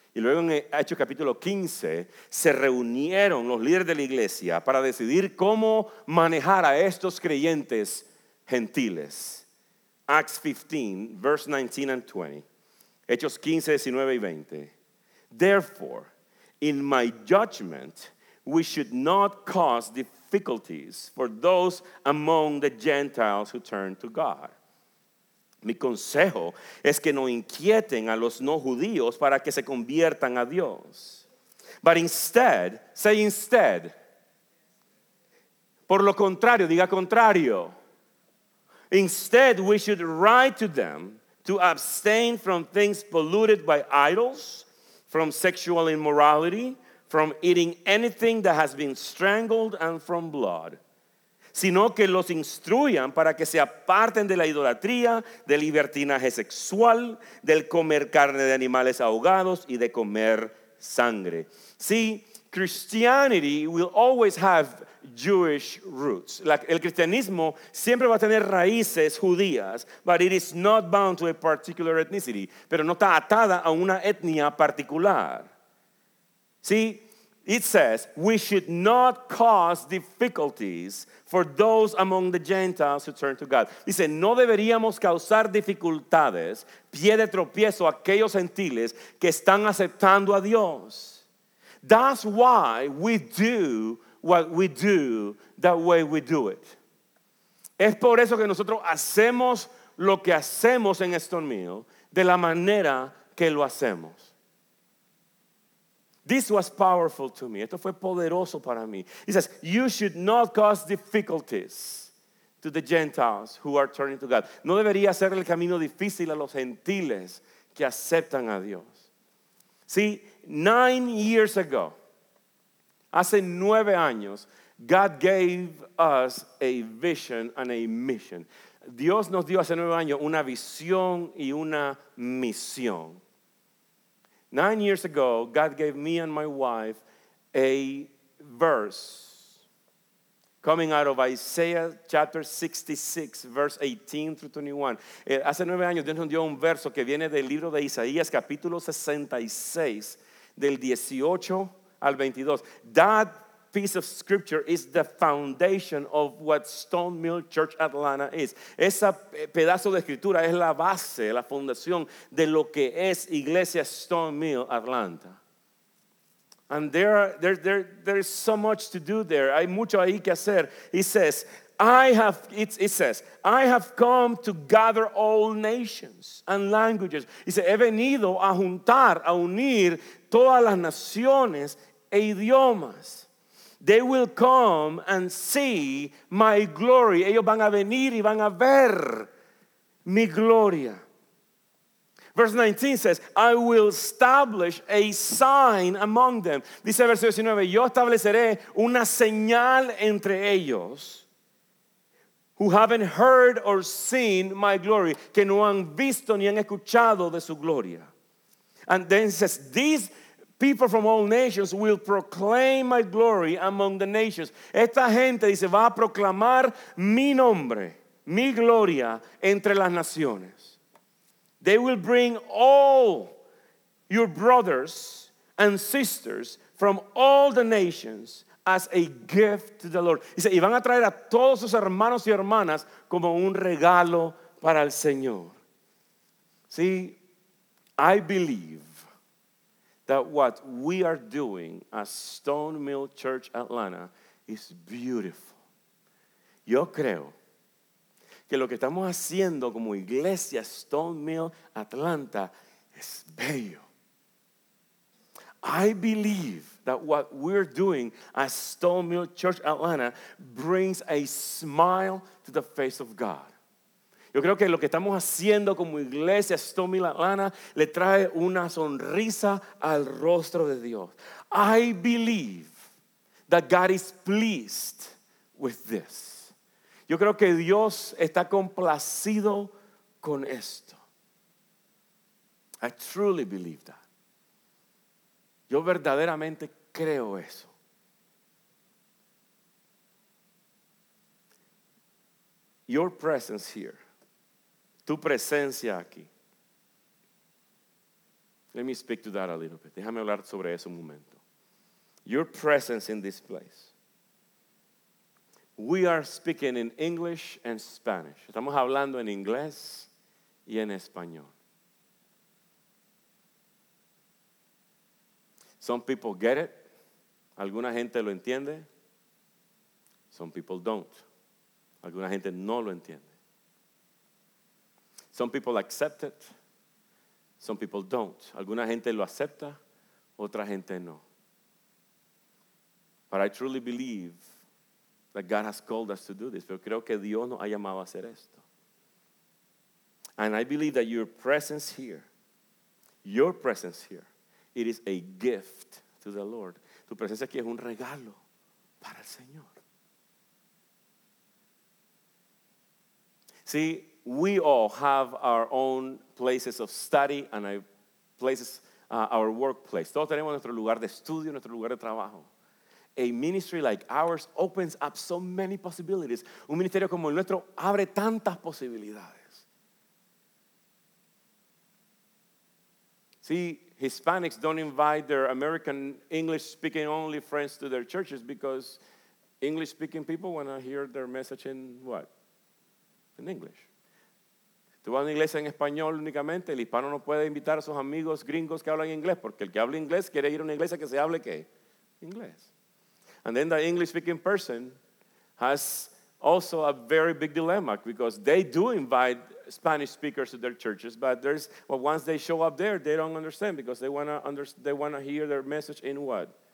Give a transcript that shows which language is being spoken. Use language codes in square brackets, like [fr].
[es] Y luego en Hechos capítulo 15, se reunieron los líderes de la iglesia para decidir cómo manejar a estos creyentes gentiles. [en] Acts 15, verse 19 and 20. [es] Hechos 15, 19 y 20. [en] Therefore, in my judgment, we should not cause difficulties for those among the Gentiles who turn to God. Mi consejo es que no inquieten a los no judíos para que se conviertan a Dios. But instead, say instead. [es] Por lo contrario, diga contrario. [en] Instead, we should write to them to abstain from things polluted by idols, from sexual immorality, from eating anything that has been strangled, and from blood. [es] Sino que los instruyan para que se aparten de la idolatría, del libertinaje sexual, del comer carne de animales ahogados y de comer sangre. [en] See, Christianity will always have Jewish roots. [es] El cristianismo siempre va a tener raíces judías, [en] but it is not bound to a particular ethnicity. [es] Pero no está atada a una etnia particular. [en] See, it says, we should not cause difficulties for those among the Gentiles who turn to God. [es] Dice, no deberíamos causar dificultades, pie de tropiezo a aquellos gentiles que están aceptando a Dios. [en] That's why we do what we do the way we do it. [es] Es por eso que nosotros hacemos lo que hacemos en Stone Mill de la manera que lo hacemos. [en] This was powerful to me. [es] Esto fue poderoso para mí. [en] He says, you should not cause difficulties to the Gentiles who are turning to God. [es] No debería hacer el camino difícil a los gentiles que aceptan a Dios. [en] See, 9 years ago, [es] hace 9 años, [en] God gave us a vision and a mission. [es] Dios nos dio hace 9 años una visión y una misión. [en] 9 years ago, God gave me and my wife a verse coming out of Isaiah chapter 66, verse 18 through 21. [es] Hace 9 años, Dios nos dio un verso que viene del libro de Isaías, capítulo 66, del 18 al 22. [en] That piece of scripture is the foundation of what Stone Mill Church Atlanta is. [es] Esa pedazo de escritura es la base, la fundación de lo que es Iglesia Stone Mill Atlanta. [en] And there's so much to do there. [es] Hay mucho ahí que hacer. [en] It says, I have come to gather all nations and languages. [es] Dice, he venido a juntar, a unir todas las naciones e idiomas. [en] They will come and see my glory. [es] Ellos van a venir y van a ver mi gloria. [en] Verse 19 says, I will establish a sign among them. [es] Dice verso 19, yo estableceré una señal entre ellos [en] who haven't heard or seen my glory, [es] que no han visto ni han escuchado de su gloria. [en] And then it says, these people from all nations will proclaim my glory among the nations. [es] Esta gente, dice, va a proclamar mi nombre, mi gloria entre las naciones. [en] They will bring all your brothers and sisters from all the nations as a gift to the Lord. [es] Dice, y van a traer a todos sus hermanos y hermanas como un regalo para el Señor. [en] See, I believe that what we are doing as Stone Mill Church Atlanta is beautiful. [es] Yo creo que lo que estamos haciendo como iglesia Stone Mill Atlanta es bello. [en] I believe that what we're doing as Stone Mill Church Atlanta brings a smile to the face of God. [es] Yo creo que lo que estamos haciendo como iglesia Stone Mill Atlanta le trae una sonrisa al rostro de Dios. [en] I believe that God is pleased with this. [es] Yo creo que Dios está complacido con esto. [en] I truly believe that. [es] Yo verdaderamente creo eso. [en] Your presence here. [es] Tu presencia aquí. [en] Let me speak to that a little bit. [es] Déjame hablar sobre eso un momento. [en] Your presence in this place. We are speaking in English and Spanish. [es] Estamos hablando en inglés y en español. [en] Some people get it. [es] Alguna gente lo entiende. [en] Some people don't. [es] Alguna gente no lo entiende. [en] Some people accept it. Some people don't. [es] Alguna gente lo acepta, otra gente no. [en] But I truly believe that God has called us to do this. [es] Pero creo que Dios nos ha llamado a hacer esto. [en] And I believe that your presence here, it is a gift to the Lord. [es] Tu presencia aquí es un regalo para el Señor. [en] See, we all have our own places of study and our workplace. [es] Todos tenemos nuestro lugar de estudio, nuestro lugar de trabajo. [en] A ministry like ours opens up so many possibilities. [es] Un ministerio como el nuestro abre tantas posibilidades. [en] See, Hispanics don't invite their American English speaking only friends to their churches because English speaking people want to hear their message in what? In English. [es] Tú vas a una iglesia en español únicamente, el hispano no puede invitar a sus amigos gringos que hablan inglés porque el que habla inglés quiere ir a una iglesia que se hable qué? Inglés. [en] And then the English-speaking person has also a very big dilemma because they do invite Spanish speakers to their churches, but there's well, once they show up there, they don't understand because they want to hear their message in what?